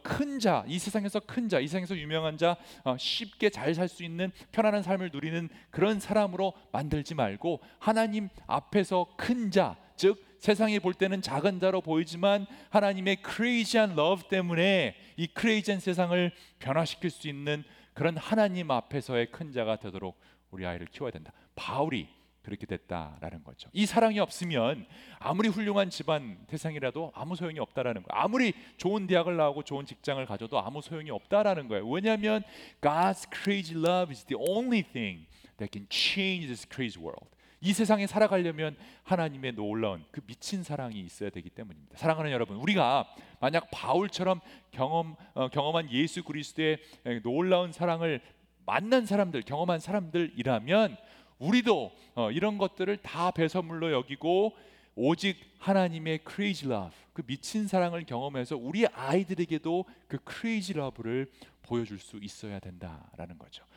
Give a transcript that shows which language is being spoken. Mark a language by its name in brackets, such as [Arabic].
[Korean] 큰 자, 이 세상에서 큰 자, 이 세상에서 유명한 자, 쉽게 잘 살 수 있는 편안한 삶을 누리는 그런 사람으로 만들지 말고 하나님 앞에서 큰 자, 즉 세상에 볼 때는 작은 자로 보이지만 하나님의 크레이지한 러브 때문에 이 크레이지한 세상을 변화시킬 수 있는 그런 하나님 앞에서의 큰 자가 되도록 우리 아이를 키워야 된다. 바울이 그렇게 됐다라는 거죠. 이 사랑이 없으면 아무리 훌륭한 집안 태생이라도 아무 소용이 없다라는 거예요. 아무리 좋은 대학을 나오고 좋은 직장을 가져도 아무 소용이 없다라는 거예요. [English] 왜냐하면 God's crazy love is the only thing that can change this crazy world. [Korean] 이 세상에 살아가려면 하나님의 놀라운 그 미친 사랑이 있어야 되기 때문입니다. 사랑하는 여러분, 우리가 만약 바울처럼 경험한 예수 그리스도의 놀라운 사랑을 만난 사람들, 경험한 사람들이라면 우리도 이런 것들을 다 배설물로 여기고 오직 하나님의 crazy love, 그 미친 사랑을 경험해서 우리 아이들에게도 그 crazy love를 보여줄 수 있어야 된다라는 거죠.